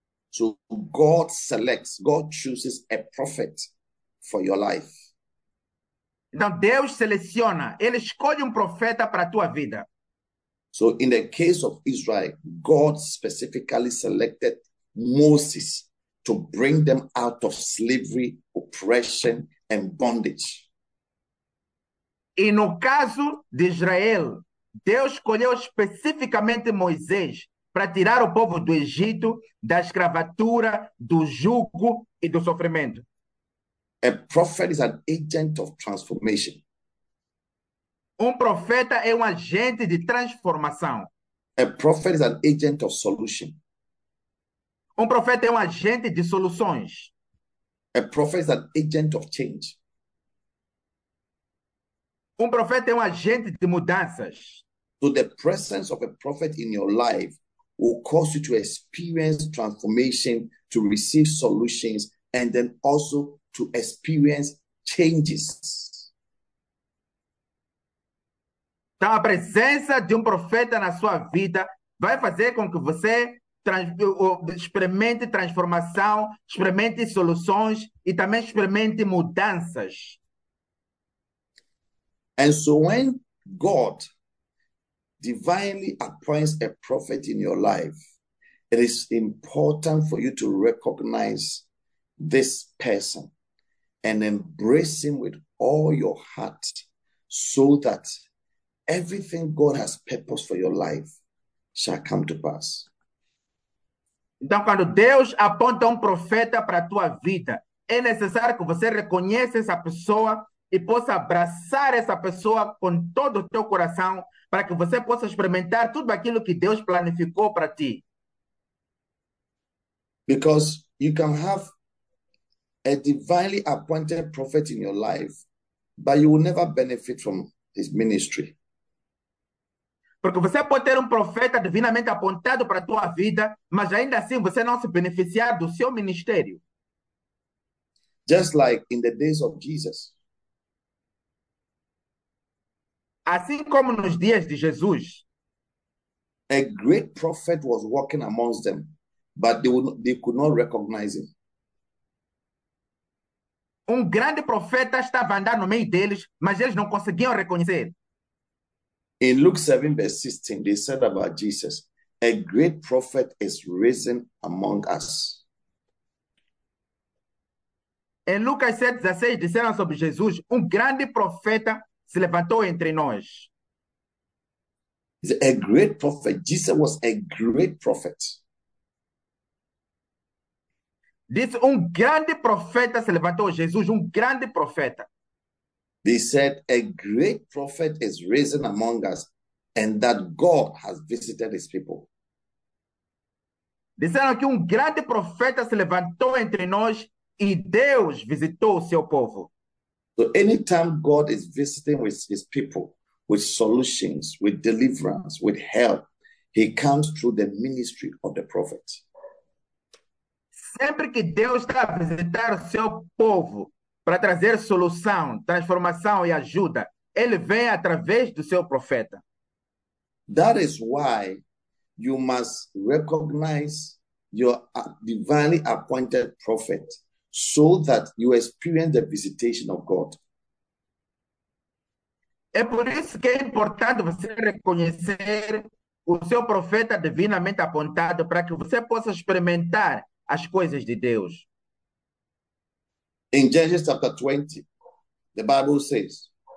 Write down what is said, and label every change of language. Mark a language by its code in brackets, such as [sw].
[en] So God selects, God chooses a prophet for your life. [pt] Então Deus seleciona, ele escolhe profeta para a tua vida. [en] So in the case of Israel, God specifically selected Moses to bring them out of slavery, oppression, and bondage. [pt] E no caso de Israel, Deus escolheu especificamente Moisés para tirar o povo do Egito da escravatura, do jugo e do sofrimento. [en] A prophet is an agent of transformation. [pt] Profeta é agente de transformação. [en] A prophet is an agent of solution. [pt] Profeta é agente de soluções. [en] A prophet is an agent of change. [pt] Profeta é agente de mudanças. [en] So the presence of a prophet in your life will cause you to experience transformation, to receive solutions, and then also to experience changes. [pt] Então, a presença de profeta na sua vida vai fazer com que você experimente transformação, experimente soluções e também experimente mudanças. [en] And so when God divinely appoints a prophet in your life, it is important for you to recognize this person and embrace him with all your heart so that everything God has purposed for your life shall come to pass. [pt] Então, quando Deus aponta profeta para a tua vida, é necessário que você reconheça essa pessoa e possa abraçar essa pessoa com todo o teu coração para que você possa experimentar tudo aquilo que Deus planificou para ti. [en] Because you can have a divinely appointed prophet in your life, but you will never benefit from his ministry. [pt] Porque você pode ter profeta divinamente apontado para a tua vida, mas ainda assim você não se beneficiar do seu ministério. [en] Just like in the days of Jesus. [pt] Assim como nos dias de Jesus. [en] A great prophet was walking amongst them, but they could not recognize him. [pt] Grande profeta estava andando no meio deles, mas eles não conseguiam reconhecer. [en] In Luke 7, verse 16, they said about Jesus, a great prophet is risen among us. [pt] Em Lucas 7, 16, disseram sobre Jesus, grande profeta se levantou entre nós. [en] A great prophet, Jesus was a great prophet. [pt] Diz, grande profeta se levantou, Jesus, grande profeta. [en] They said, a great prophet is risen among us, And that God has visited his people. [pt] Disseram que grande profeta se levantou entre nós e Deus visitou o seu povo. [en] So anytime God is visiting with his people, with solutions, with deliverance, with help, he comes through the ministry of the prophet. [pt] Sempre que Deus está a visitar o seu povo para trazer solução, transformação e ajuda, ele vem através do seu profeta. [en] That is why you must recognize your divinely appointed prophet so that you experience the visitation of God. [pt] É por isso que é importante você reconhecer o seu profeta divinamente apontado para que você possa experimentar as coisas de Deus. [en] In Genesis chapter 20, the Bible says,